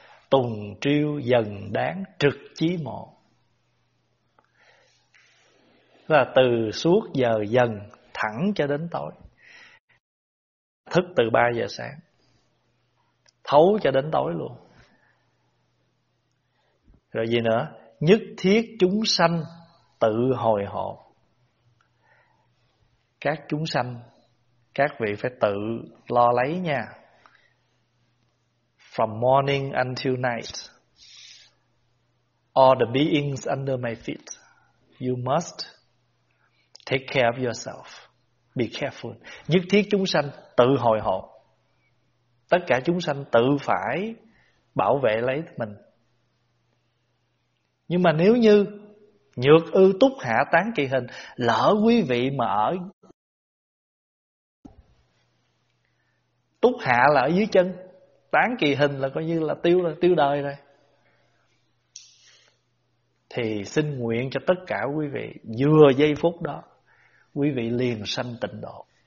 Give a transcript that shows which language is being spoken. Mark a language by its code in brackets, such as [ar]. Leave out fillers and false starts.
[vi] Tùng triêu dần đáng trực chí mộ, là từ suốt giờ dần thẳng cho đến tối, thức từ 3 giờ sáng thấu cho đến tối luôn. Rồi gì nữa? Nhất thiết chúng sanh tự hồi hộ. Các chúng sanh, các vị phải tự lo lấy nha. [en] From morning until night, all the beings under my feet, you must take care of yourself. Be careful. [vi] Nhất thiết chúng sanh tự hồi hộ. Tất cả chúng sanh tự phải bảo vệ lấy mình. Nhưng mà nếu như nhược ư túc hạ tán kỳ hình, lỡ quý vị mà ở túc hạ là ở dưới chân, tán kỳ hình là coi như là tiêu, là tiêu đời rồi, thì xin nguyện cho tất cả quý vị vừa giây phút đó quý vị liền sanh tịnh độ.